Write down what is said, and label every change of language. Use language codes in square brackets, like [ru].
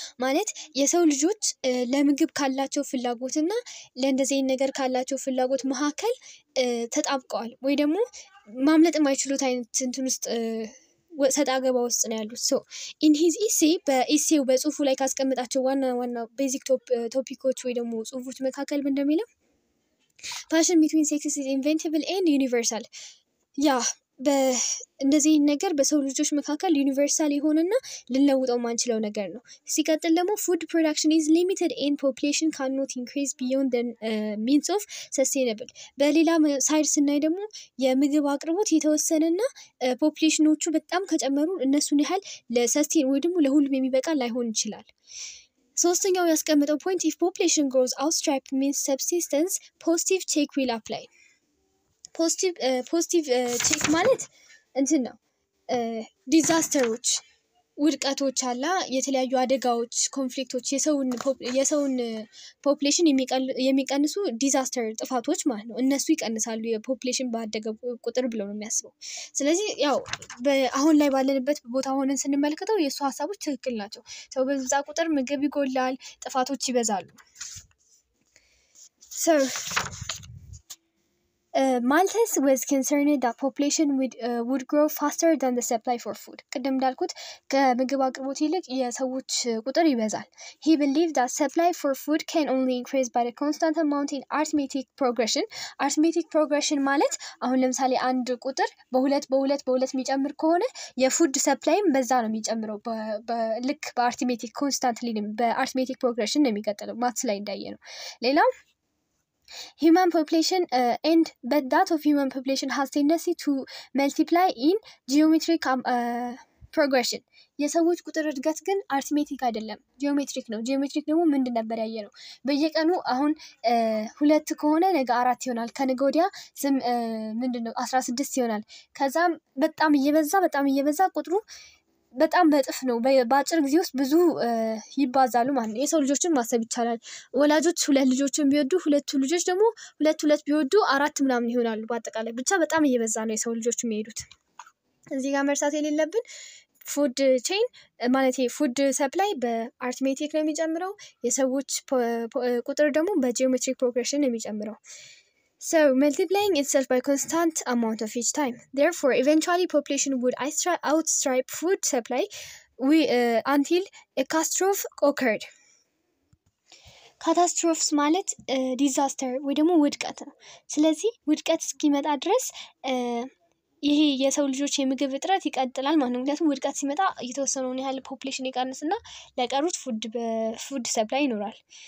[am] ማለት የሰው ልጆች ለምግብ ካላቸው ፍላጎትና ለእንደዚህ ነገር ካላቸው ፍላጎት መካከል ተጣብቀዋል ወይ ደግሞ ማምለጥ የማይችሉት አይነት እንትን ውስጥ ወሰጣ ገባ ውስጥ ነው ያሉት [en] ሶ ኢን ሂዝ ኢሴ [am] በኢሴው በጽሁፉ ላይ ካስቀመጣቸው ዋና ዋና ቤዚክ ቶፒኮች ወይ ደግሞ ጽሁፎች መካከል እንደሚለው [en] Passion between sexes is inevitable and universal. [am] Yeah, እንደዚህ ነገር በሰው ልጆች መካከል ዩኒቨርሳል የሆነና ልንለውጠው ማንችለው ነገር ነው። ሲቀጥል ደግሞ [en] food production is limited and population cannot increase beyond the means of sustainable. [am] በሌላ ሳይድ ስናይ ደግሞ የምግብ አቅርቦት የተወሰነና ፖፑሌሽኖቹ በጣም ከጨመሩ እነሱን ያህል ለሰስቴን ወይ ደግሞ ለሁሉም የሚበቃ ላይሆን ይችላል። ሶስተኛው ያስቀመጠው ፖይንት [en] ኢፍ ፖፑሌሽን ግሮዝ አውትስትራይፕ ሚንስ ሰብሲስተንስ ፖዚቲቭ ቼክ ዊል አፕላይ [am] ፖዚቲቭ ቼክ ማለት እንትን ነው ዲዛስተሮች ውድቀቶች አላ የተለያዩ አደጋዎች ኮንፍሊክቶች የሰውን ፖፑሌሽን የሚቀንሱ ዲዛስተር ጥፋቶች ማለት ነው እነሱ ይቀንሳሉ የፖፑሌሽን ባደገ ቁጥር ብለው ነው የሚያስበው ስለዚህ ያው አሁን ላይ ባለንበት ቦታ ሆነን ስንመለከተው የሱ ሐሳቦች ትክክል ናቸው ሰው በዛ ቁጥር ምግብ ይጎላል ጥፋቶች ይበዛሉ [en] so Malthus was concerned that population would grow faster than the supply for food. [am] ቀደም ዳልኩት ከምግብ አቅርቦት ይልቅ የሰዎች ቁጥር ይበዛል. [en] He believed that supply for food can only increase by the constant amount in arithmetic progression. [am] Arithmetic progression ማለት አሁን ለምሳሌ አንድ ቁጥር በሁለት በሁለት በሁለት የሚጨምር ከሆነ የፉድ ሰፕላይም በዛ ነው የሚጨምረው በልክ በአርትሜቲክ constantly በአርትሜቲክ progression ነው የሚቀጥለው ማትስ ላይ እንዳየነው. [en] ሌላው Human population and but that of human population has tendency to multiply in geometric progression. [am] የሰዎች ቁጥር እድገት ግን አርትሜቲክ አይደለም ጂኦሜትሪክ ነው ጂኦሜትሪክ ደግሞ ምንድን ነበር ያየነው በየቀኑ አሁን ሁለት ከሆነ ነገ አራት ይሆናል ከነገ ወዲያ ምንድን ነው 16 ይሆናል ከዛም በጣም እየበዛ ቁጥሩ በጣም በጥፍ ነው በአጭር ጊዜ ውስጥ ብዙ ይባዛሉ ማለት ነው የሰው ልጆችን ማሰብ ይቻላል ወላጆች ሁለት ልጆችን ቢወዱ ሁለቱ ልጆች ደግሞ ሁለት ቢወዱ አራት ምናምን ይሆናሉ በአጠቃላይ ብቻ በጣም እየበዛ ነው የሰው ልጆች የሚሄዱት እዚህ ጋር መርሳት የሌለብን ፉድ ቼን ማለት ፉድ ሰፕላይ በአርትሜቲክ ነው የሚጨምረው የሰዎች ቁጥር ደግሞ በጂኦሜትሪክ ፕሮግሬሽን ነው የሚጨምረው [en] So, multiplying itself by constant amount of each time. Therefore, eventually population would outstrip food supply until a catastrophe occurred. [am] Catastrophes ማለት disaster ወይ ደግሞ ውድቀት ነው. ስለዚህ ውድቀት እስኪመጣ ድረስ ይሄ የሰው ልጆች የምግብ እጥረት ይቀጥላል ማለት ነው. ምክንያቱም ውድቀት ሲመጣ የተወሰነውን ያህል population ይቀንስና ለቀሩት food supply ይኖራል.